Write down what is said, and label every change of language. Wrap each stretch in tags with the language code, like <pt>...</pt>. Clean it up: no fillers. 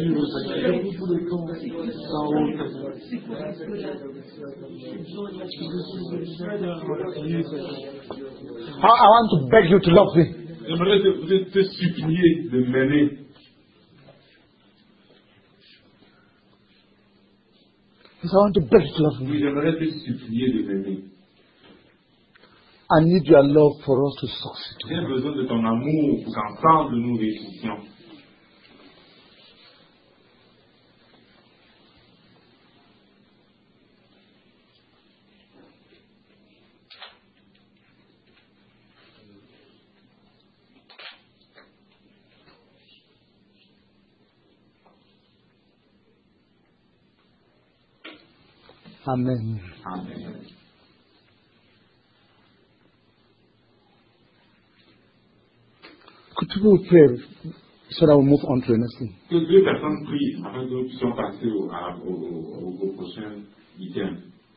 <en>I want to beg you to love me.</en> <fr>J'aimerais te supplier de m'aimer.</fr> <en>Because I want to beg you to love me.</en> <fr>J'aimerais te supplier de m'aimer.</fr> <en>I need your love for us to succeed.</en> <fr>J'ai besoin de ton amour pour qu'ensemble nous réussissions.</fr> <en>Amen.</en> <fr>Amen.</fr> <en>Could you pray so that we move on to the next thing?</en> <fr>Que deux personnes prient afin que nous puissions passer au prochain item.</fr>